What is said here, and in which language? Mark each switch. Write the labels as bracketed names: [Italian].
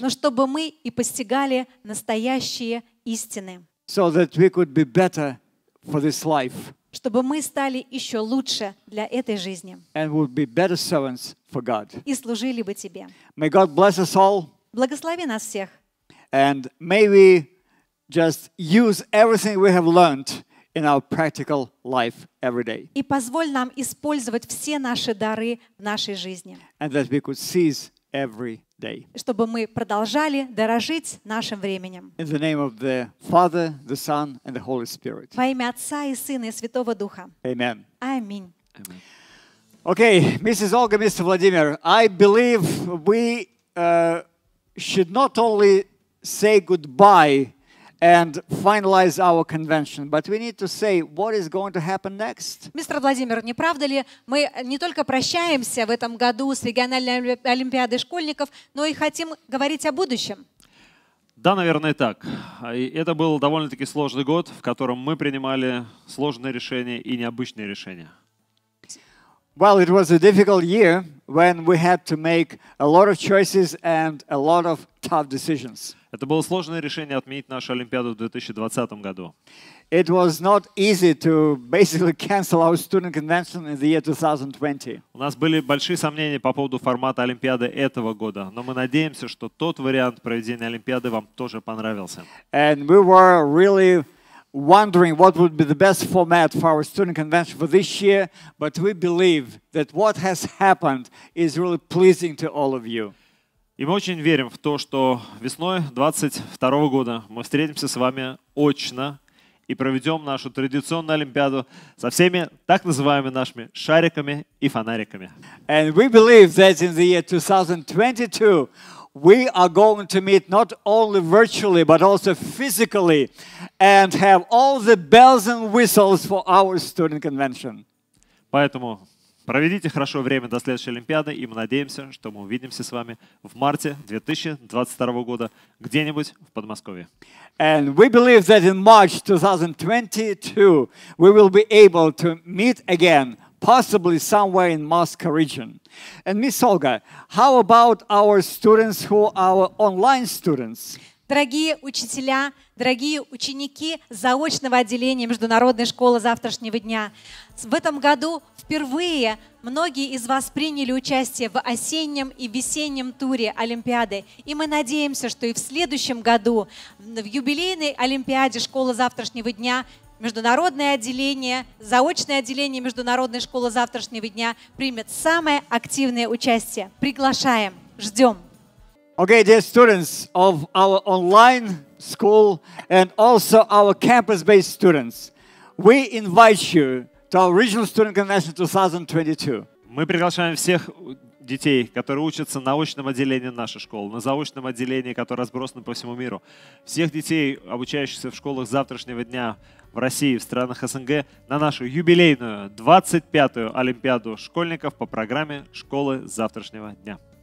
[Russian] Но чтобы мы и постигали настоящие истины. [English] So that we could be better for this life. [Russian] Чтобы мы стали еще лучше для этой жизни. [English] And would be better servants for God. [Russian] И служили бы тебе. [English] May God bless us all. [Russian] Благослови нас всех. [English] And may we just use everything we have learned in our practical life every day. [Russian] И позволь нам использовать все наши дары в нашей жизни. [English] And that we could seize every day. [Russian] Чтобы мы продолжали дорожить нашим временем. [English] In the name of the Father, the Son, and the Holy Spirit. [Russian] Во имя Отца и Сына и Святого Духа. [English] Amen. [Russian] Аминь. [English] Okay, Mrs. Olga, Mr. Vladimir, I believe we should not only say goodbye and finalize our convention, but we need to say what is going to happen next. [Russian] Мистер Владимир, не правда ли, мы не только прощаемся в этом году с региональной олимпиадой школьников, но и хотим говорить о будущем. Да, наверное, так. Это был довольно-таки сложный год, в котором мы принимали сложные решения и необычные решения. [English] Well, it was a difficult year when we had to make a lot of choices and a lot of tough decisions. [Russian] Это было сложное решение отменить нашу Олимпиаду в 2020 году. [English] It was not easy to basically cancel our student convention in the year 2020. [Russian] У нас были большие сомнения по поводу формата Олимпиады этого года, но мы надеемся, что тот вариант проведения Олимпиады вам тоже понравился. [English] And we were really wondering what would be the best format for our student convention for this year, but we believe that what has happened is really pleasing to all of you. [Russian] И мы очень верим в то, что весной 2022 года мы встретимся с вами очно и проведем нашу традиционную Олимпиаду со всеми так называемыми нашими шариками и фонариками. [English] And we believe that in the year 2022 we are going to meet not only virtually, but also physically and have all the bells and whistles for our student convention. [Russian] Поэтому проведите хорошо время до следующей Олимпиады, и мы надеемся, что мы увидимся с вами в марте 2022 года где-нибудь в Подмосковье. [English] And we believe that in March 2022 we will be able to meet again, possibly somewhere in Moscow region. And Miss Olga, how about our students who are our online students? [Russian] Дорогие учителя, дорогие ученики заочного отделения Международной школы завтрашнего дня, в этом году впервые многие из вас приняли участие в осеннем и весеннем туре Олимпиады. И мы надеемся, что и в следующем году, в юбилейной Олимпиаде школы завтрашнего дня, международное отделение, заочное отделение Международной школы завтрашнего дня примет самое активное участие. Приглашаем, ждем. [English] Okay, dear students of our online school and also our campus-based students, we invite you to our regional student convention 2022. [Russian] Мы приглашаем всех детей, которые учатся на очном отделении нашей школы, на заочном отделении, которое разбросано по всему миру, всех детей, обучающихся в школах завтрашнего дня в России, в странах СНГ, на нашу юбилейную 25-ю Олимпиаду школьников по программе школы завтрашнего дня.